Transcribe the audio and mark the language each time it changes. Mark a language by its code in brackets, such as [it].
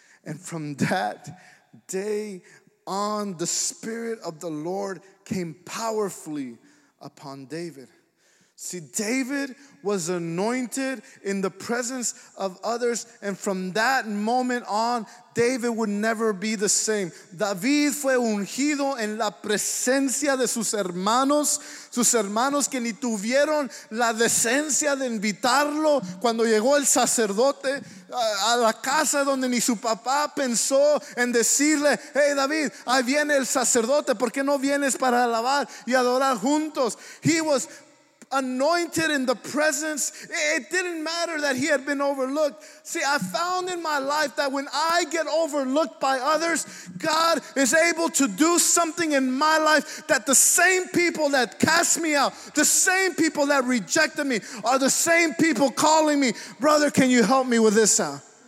[en] And from that day on, the Spirit of the Lord came powerfully upon David. See, David was anointed in the presence of others, and from that moment on, David would never be the same. [es] David fue ungido en la presencia de sus hermanos que ni tuvieron la decencia de invitarlo cuando llegó el sacerdote a la casa, donde ni su papá pensó en decirle, hey David, ahí viene el sacerdote, ¿por qué no vienes para alabar y adorar juntos? [en] He was anointed in the presence. It didn't matter that he had been overlooked. See, I found in my life that when I get overlooked by others, God is able to do something in my life, that the same people that cast me out, the same people that rejected me, are the same people calling me, brother, can you help me with this now?